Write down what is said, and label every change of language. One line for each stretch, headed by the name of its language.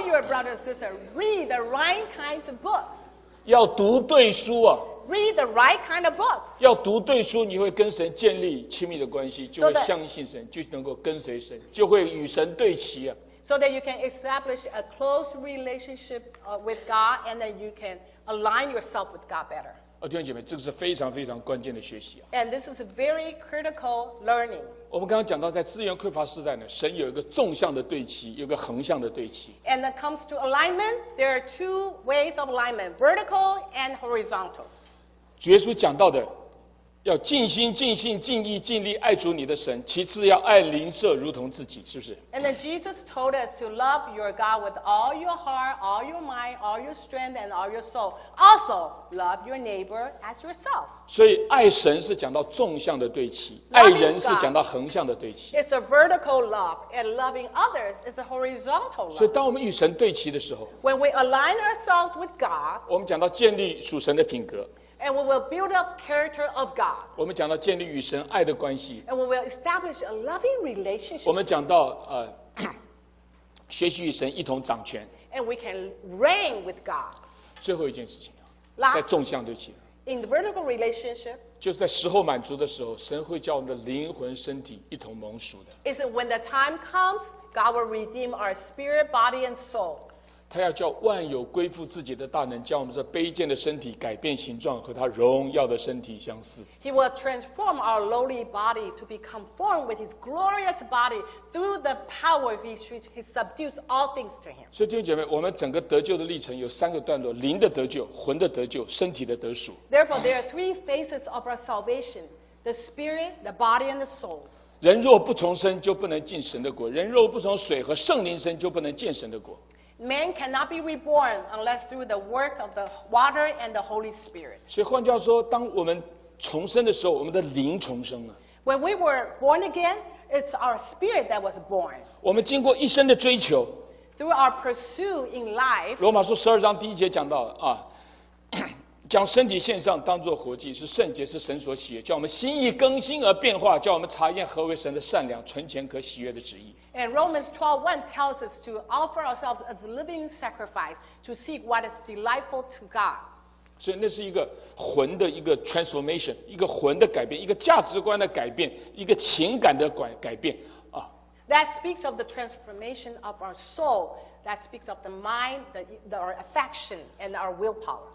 English: Tell your brothers and sisters, read the right kinds of books.
Chinese: 要读对书啊。
English: Read the right kind of books.
Chinese: 要读对书，你会跟神建立亲密的关系，就会相信神，就能够跟随神，就会与神对齐啊。
English: So that you can establish a close relationship with God, and then you can align yourself with God better.
Chinese: 弟兄姐妹，这个是非常非常关键的学习。
English: And this is a very critical learning.
Chinese: 我们刚刚讲到，在资源匮乏时代呢，神有一个纵向的对齐，有个横向的对齐。
English: And when it comes to alignment, there are two ways of alignment: vertical and horizontal.
Chinese: 主耶稣讲到的，要尽心尽性尽意尽力爱主你的神，其次要爱邻舍如同自己，是不是？
English: And then Jesus told us to love your God with all your heart, all your mind, all your strength, and all your soul. Also, love your neighbor as yourself.
Chinese: 所以爱神是讲到纵向的对齐，爱人是讲到横向的对齐。
English: It's a vertical love, and loving others is a horizontal love.
Chinese: 所以当我们与神对齐的时候，
English: When we align ourselves with God,
Chinese: 我们讲到建立属神的品格。
English: And we will build up character of God.
Chinese: 我们讲到建立与神爱的关系。
English: And we will establish a loving relationship.
Chinese: 我们讲到学习与神一同掌权。
English: And we can reign with God.
Chinese: 最后一件事情，
English: Last,
Chinese: 在纵向对齐。
English: In the vertical relationship.
Chinese: 就是在时候满足的时候，神会叫我们的灵魂身体一同蒙赎的。
English: Is it when the time comes, God will redeem our spirit, body, and soul.
Chinese: 他要叫万有归附自己的大能，叫我们这卑贱的身体改变形状，和他荣耀的身体相似。
English: He will transform our lowly body to be conformed with his glorious body through the power with which he subdues all things to him.
Chinese: 所以弟兄姐妹，我们整个得救的历程有三个段落：灵的得救、魂的得救、身体的得赎。
English: Therefore, there are three phases of our salvation: the spirit, the body, and the soul.
Chinese: 人若不从身，就不能进神的国；人若不从水和圣灵身，就不能见神的国。
English: Man cannot be reborn unless through the work of the water and the Holy Spirit.
Chinese: 所以换句话说，当我们重生的时候，我们的灵重生了。
English: When we were born again, it's our spirit that was born.
Chinese: 我们经过一生的追求。
English: Through our pursuit in life.
Chinese: 罗马书十二章第一节讲到啊，将身体献上当作活祭，是圣洁，是神所喜悦，叫我们心意更新而变化，叫我们查验何为神的善良、纯全可喜悦的旨意。
English: And Romans 12:1 tells us to offer ourselves as a living sacrifice to seek what is delightful to God.
Chinese: 所以那是一个魂的一个 transformation， 一个魂的改变，一个价值观的改变，一个情感的改变啊。
English: That speaks of the transformation of our soul. That speaks of the mind, our affection, and our willpower.